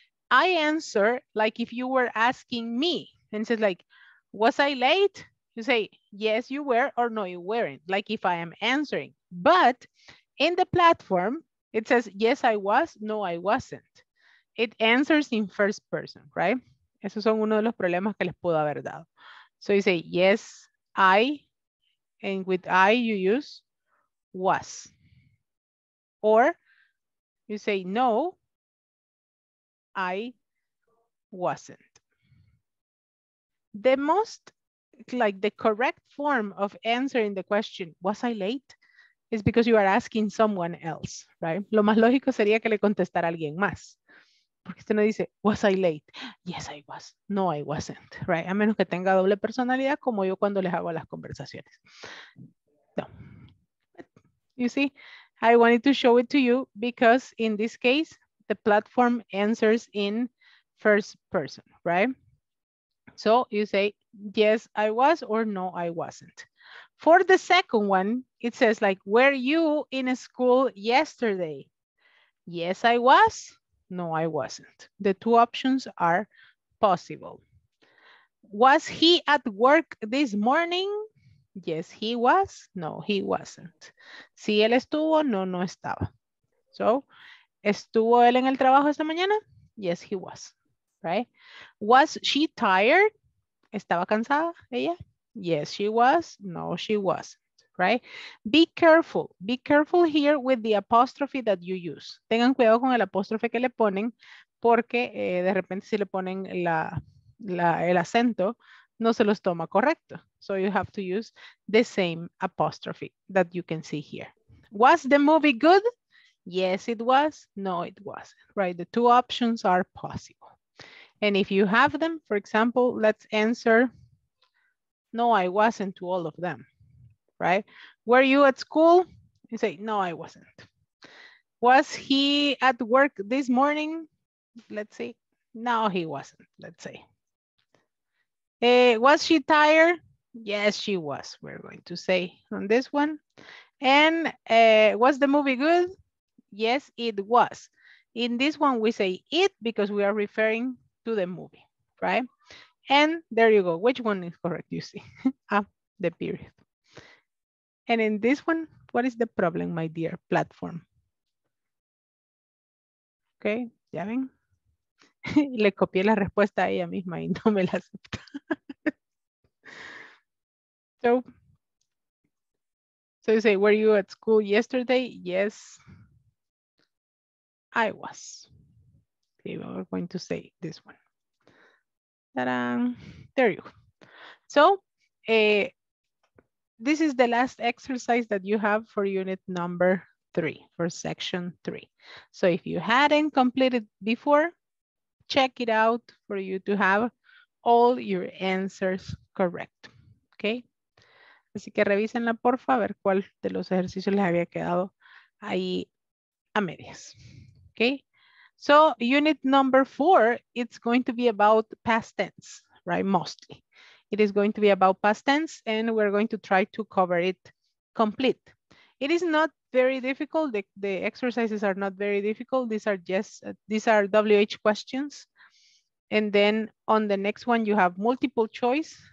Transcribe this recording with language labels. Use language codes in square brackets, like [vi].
[en] I answer like if you were asking me and says like, was I late? You say, yes, you were, or no, you weren't, like if I am answering. But in the platform, it says, yes, I was, no, I wasn't. It answers in first person, right? [es] Esos son uno de los problemas que les pudo haber dado. [en] So you say, yes, I, and with I you use was. Or you say, no, I wasn't. The most, like the correct form of answering the question, was I late? Is because you are asking someone else, right? [es] Lo más lógico sería que le contestara alguien más. Porque usted no dice, [en] was I late? Yes, I was. No, I wasn't, right? [es] A menos que tenga doble personalidad como yo cuando les hago las conversaciones. [en] No. You see? I wanted to show it to you because in this case, the platform answers in first person, right? So you say, yes, I was, or no, I wasn't. For the second one, it says like, were you in a school yesterday? Yes, I was, no, I wasn't. The two options are possible. Was he at work this morning? Yes, he was. No, he wasn't. [es] Si él estuvo, no, no estaba. So, ¿estuvo él en el trabajo esta mañana? [en] Yes, he was. Right? Was she tired? [es] ¿Estaba cansada ella? [en] Yes, she was. No, she wasn't. Right? Be careful. Be careful here with the apostrophe that you use. [es] Tengan cuidado con el apóstrofe que le ponen porque de repente si le ponen el acento, no se los toma correcto. [en] So you have to use the same apostrophe that you can see here. Was the movie good? Yes, it was. No, it wasn't, right? The two options are possible. And if you have them, for example, let's answer, no, I wasn't to all of them, right? Were you at school? You say, no, I wasn't. Was he at work this morning? Let's see. No, he wasn't, let's say. Was she tired? Yes, she was, we're going to say on this one. And was the movie good? Yes, it was. In this one, we say it because we are referring to the movie, right? And there you go. Which one is correct, you see? The period. And in this one, what is the problem, my dear? Platform. [es] Okay, ya ven. Le copié la respuesta a ella misma y no me la acepta. [en] So you say, were you at school yesterday? Yes, I was. Okay, well, we're going to say this one. Ta-da! There you go. So this is the last exercise that you have for unit number 3, for section 3. So if you hadn't completed before, check it out for you to have all your answers correct, okay? [es] Así que revísenla, porfa, a ver cuál de los ejercicios les había quedado ahí a medias, okay? [en] So, unit number 4, it's going to be about past tense, right, mostly. It is going to be about past tense, and we're going to try to cover it complete. It is not very difficult. The exercises are not very difficult. These are just, these are WH questions. And then on the next one, you have multiple choice.